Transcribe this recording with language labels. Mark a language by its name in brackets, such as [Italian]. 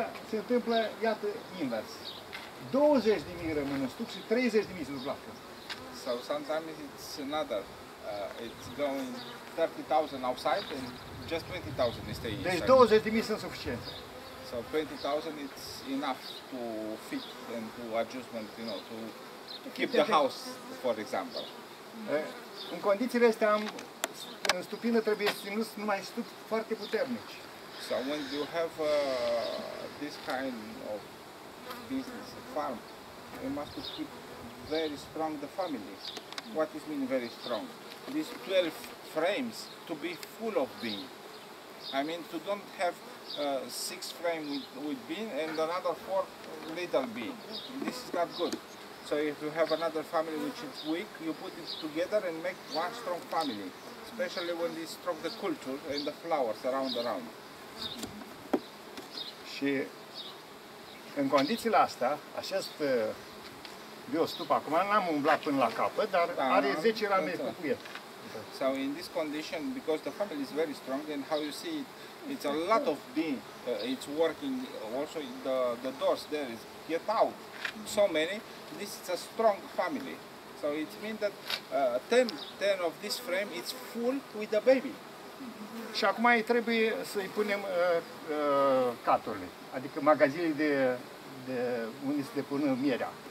[Romanian] Se întâmplă, iată, invers. 20.000 rămân în stup și 30.000 se duc la câmp. [English] So sometimes it's another, it's going 30,000 outside and just 20,000 stay inside. [Romanian] Deci 20.000 sunt suficiente. [English] So 20,000 it's enough to fit and to adjustment, you know, to keep the house, for example. [Romanian] În condițiile astea, în stupină trebuie ținut numai stup foarte puternici. [English] So when you have this kind of business, farm, you must keep very strong the family. What is mean very strong? These 12 frames to be full of bean. I mean to don't have 6 frame with bean and another 4 little bean. This is not good. So if you have another family which is weak, you put it together and make one strong family. Especially when they stroke the culture and the flowers around. [Romanian] Și în condițiile astea, acest eu stup acum n-am umblat până la capăt, dar are 10 rame cu cuie. [English] So in this condition, because the family is very strong and how you see it, it's a lot of bee, it's working also in the doors there is get out so many. This is a strong family. So it means that 10 of this frame it's full with the baby. [Romanian] Și acum îi trebuie să îi punem caturile, adică magazinele de unde se depune mierea.